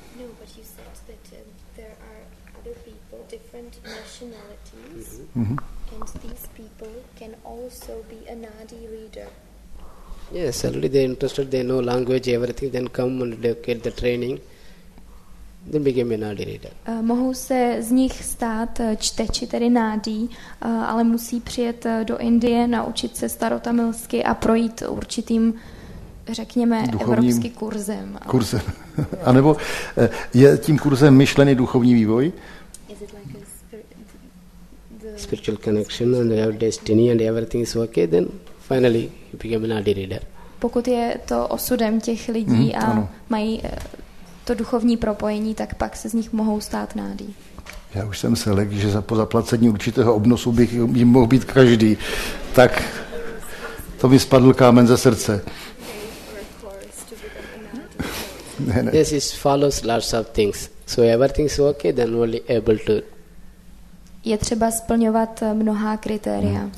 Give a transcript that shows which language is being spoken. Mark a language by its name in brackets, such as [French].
[English] No, but you said that there are other people, different nationalities, mm-hmm. And these people can also be a nadi reader. Yes, already they're interested, they know language, everything, then come and get the training, then become a nadi reader. [Czech] Mohou se z nich stát čteči, tedy nádí, ale musí přijet do Indie, naučit se starotamilsky a projít určitým, řekněme, evropským kurzem. Kurzem. A nebo je tím kurzem myšlený duchovní vývoj? [English] Spiritual connection and your destiny and everything is okay, then finally you become a nádi reader. [Czech] Pokud je to osudem těch lidí a mají to duchovní propojení, tak pak se z nich mohou stát nádí. Já už jsem se lekl, že po zaplacení určitého obnosu bych jim mohl být každý. Tak to mi spadl kámen ze srdce. Ne. [English] This is follows lots of things. So everything is okay, then only able to. [Czech] Je třeba splňovat mnohá kritéria.